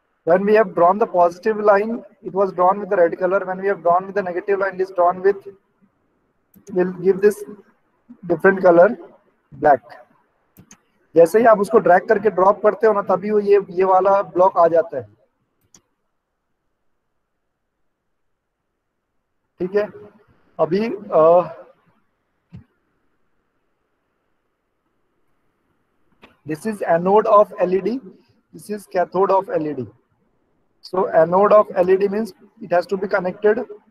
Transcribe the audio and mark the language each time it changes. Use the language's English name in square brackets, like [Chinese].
[English] when we have drawn the positive line, it was drawn with the red color. When we have drawn with the negative line, it is drawn with, will give this different color, black. [Hindi] जैसे ही आप उसको drag करके drop करते हो ना तभी वो ये वाला ब्लॉक आ जाता है. ठीक है अभी [English] this is anode of LED. This is cathode of LED. So anode of LED means it has to be connected